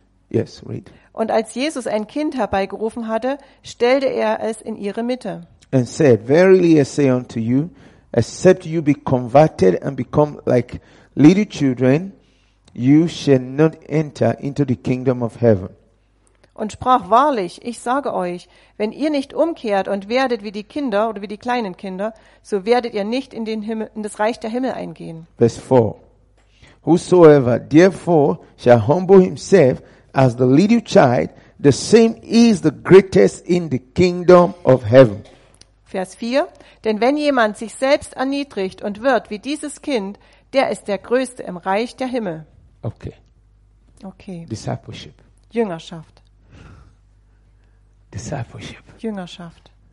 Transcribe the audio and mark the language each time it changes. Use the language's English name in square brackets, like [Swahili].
[English] Yes, read. [German] Und als Jesus ein Kind herbeigerufen hatte, stellte er es in ihre Mitte. [English] And said, Verily I say unto you, except you be converted and become like little children, you shall not enter into the kingdom of heaven. [German] Und sprach wahrlich, ich sage euch, wenn ihr nicht umkehrt und werdet wie die Kinder oder wie die kleinen Kinder, so werdet ihr nicht in den Himmel, in das Reich der Himmel eingehen. [English] Verse 4. Whosoever therefore shall humble himself as the little child, the same is the greatest in the kingdom of heaven. [German] Vers 4. Denn wenn jemand sich selbst erniedrigt und wird wie dieses Kind, der ist der Größte im Reich der Himmel. [English] Okay. Discipleship. [German] Jüngerschaft. [English] Discipleship. [German] Jüngerschaft.